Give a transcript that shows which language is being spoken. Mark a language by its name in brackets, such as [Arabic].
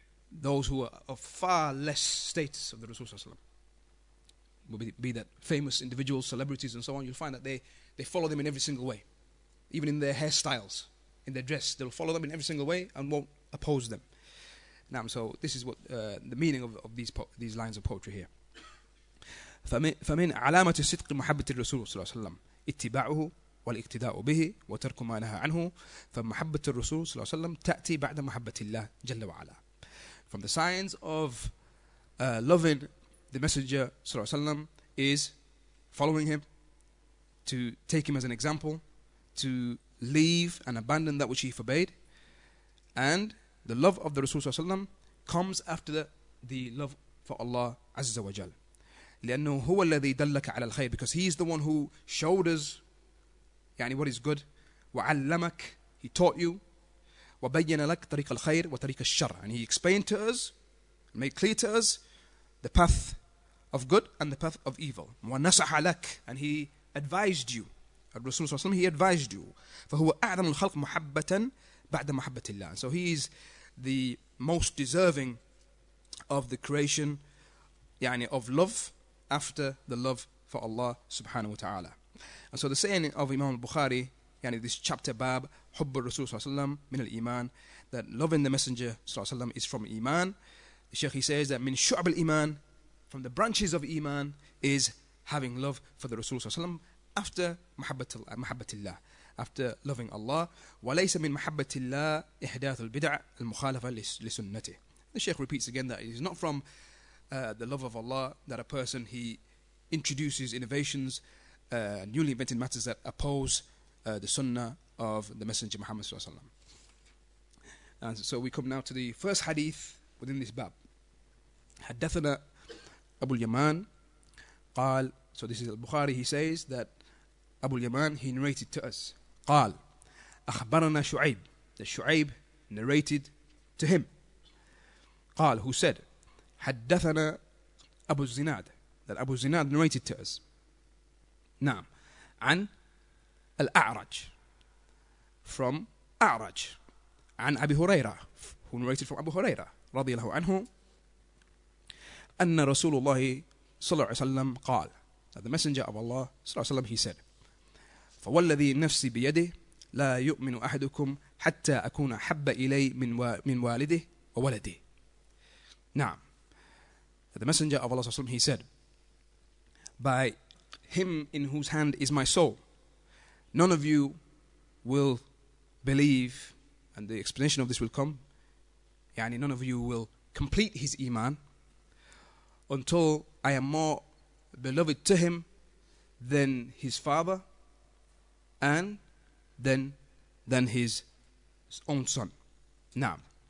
[English] Those who are of far less status of the Rasul Sallallahu Alaihi Wasallam. Be that famous individuals, celebrities and so on. You'll find that they follow them in every single way. Even in their hairstyles, in their dress. They'll follow them in every single way and won't oppose them. Now, so this is what the meaning of these lines of poetry here. [Arabic] فمن علامة الصدق محبة الرسول صلى الله عليه وسلم اتباعه والاقتداء به وترك ما نهى عنه فمحبة الرسول صلى الله عليه وسلم تأتي بعد محبة الله جل وعلا. [English] From the signs of loving the Messenger صلى الله عليه وسلم is following him, to take him as an example, to leave and abandon that which he forbade, and the love of the Rasul صلى الله عليه وسلم comes after the love for Allah عز وجل. [Arabic] لأنه هو الذي دلك على الخير, [English] because he is the one who showed us يعني what is good. وعلمك, he taught you. [Arabic] وبين لك طريق الخير وطريق الشر, [English] and he explained to us, made clear to us the path of good and the path of evil. [Arabic] ونصح لك, [English] and he advised you. الرسول صلى الله عليه وسلم, he advised you. [Arabic] فهو أعظم الخلق محبة بعد محبة الله. [English] So he is the most deserving of the creation, يعني of love after the love for Allah subhanahu wa ta'ala. And so the saying of Imam al-Bukhari, يعني this chapter bab, [Arabic] حب الرسول صلى الله عليه وسلم من الإيمان, [English] that loving the Messenger صلى الله عليه وسلم is from Iman. The Sheikh, he says that [Arabic] من شعب الإيمان, [English] from the branches of Iman, is having love for the Rasul صلى الله عليه وسلم after محبة الله. After loving Allah, [Arabic] وليس من محبة الله إحداث البدع المخالفة لسنته. [English] The Sheikh repeats again that it is not from the love of Allah that a person, he introduces innovations, newly invented matters that oppose the sunnah of the Messenger Muhammad صلى الله عليه وسلم. And so we come now to the first hadith within this bab. [Arabic] حدثنا أبو اليمان قال, [English] so this is Al-Bukhari, he says that أبو اليمان, he narrated to us, [Arabic] قال أخبرنا شعيب, [English] that شعيب narrated to him. قال, who said, [Arabic] حدثنا أبو الزناد, [English] that Abu Zinad narrated to us. [Arabic] نعم, عن الأعرج, from أعرج, عن أبي هريرة, [English] who narrated from Abu Huraira, [Arabic] رضي الله عنه, أن رسول الله صلى الله عليه وسلم قال, [English] that the messenger of Allah صلى الله عليه وسلم, he said, [Arabic] فوالذي نفسي بيده لا يؤمن أحدكم حتى أكون حب إلي من والده وولده. [English] نعم, that the messenger of Allah صلى الله عليه وسلم, he said, by him in whose hand is my soul, none of you will believe, and the explanation of this will come, يعني none of you will complete his iman until I am more beloved to him than his father and than his own son. Naam.